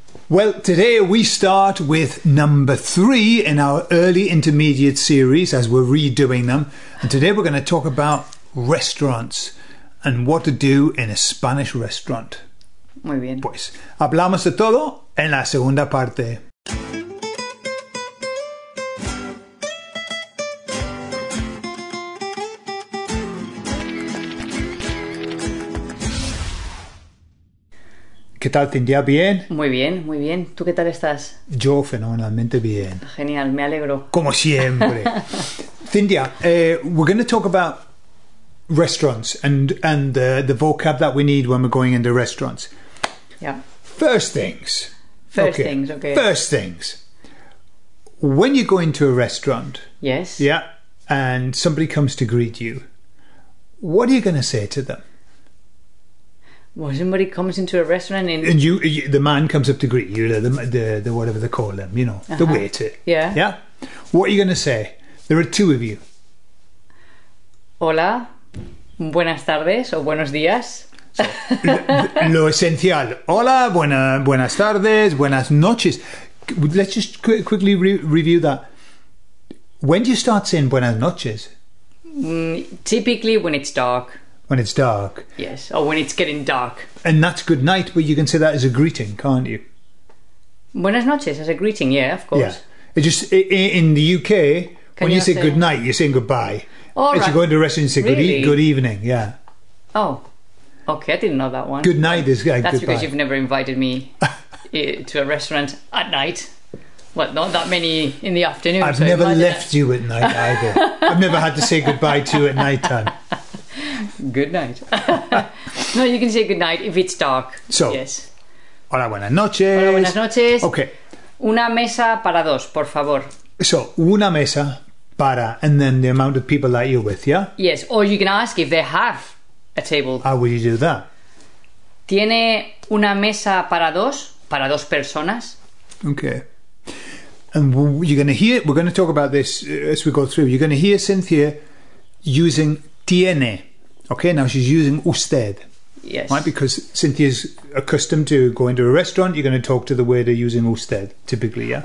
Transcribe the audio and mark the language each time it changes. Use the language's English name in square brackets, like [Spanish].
[English] Well, today we start with number 3 in our early intermediate series as we're redoing them. And today we're going to talk about restaurants and what to do in a Spanish restaurant. [Spanish] Muy bien. Pues, hablamos de todo en la segunda parte. ¿Qué tal, Cintia? ¿Bien? Muy bien, muy bien. ¿Tú qué tal estás? Yo fenomenalmente bien. Genial, me alegro. Como siempre. [English] Cintia, we're going to talk about restaurants and the vocab that we need when we're going into restaurants. Yeah. First things, okay. First things. When you go into a restaurant. Yes. Yeah, and somebody comes to greet you. What are you going to say to them? Well, somebody comes into a restaurant and... The man comes up to greet you, the whatever they call them, you know, uh-huh. The waiter. Yeah. Yeah? What are you going to say? There are two of you. [Spanish] Hola, buenas tardes o buenos días. Lo esencial. Hola, buenas tardes, buenas noches. [English] Let's just quickly review that. When do you start saying buenas noches? Typically when it's dark. When it's dark. Yes, or when it's getting dark. And that's good night, but you can say that as a greeting, can't you? Buenas noches, as a greeting, yeah, of course. Yeah. It just in the UK, when you say good night, you're saying goodbye. All right. You go into a restaurant and say good evening, yeah. Oh, okay, I didn't know that one. Good night is goodbye. That's because you've never invited me to a restaurant at night. Well, not that many in the afternoon. I've never left you at night either. I've never had to say goodbye to you at night time. Good night. No, you can say good night if it's dark. So, yes. [Spanish] Hola, buenas noches. Hola, buenas noches. [English] Okay. [Spanish] Una mesa para dos, por favor. [English] So, [Spanish] una mesa para, [English] and then the amount of people that you're with, yeah? Yes, or you can ask if they have a table. How would you do that? [Spanish] ¿Tiene una mesa para dos personas? [English] Okay. And we're going to talk about this as we go through. You're going to hear Cynthia using tiene. Okay, now she's using usted. Yes. Right, because Cynthia's accustomed to going to a restaurant, you're going to talk to the waiter using usted, typically, yeah?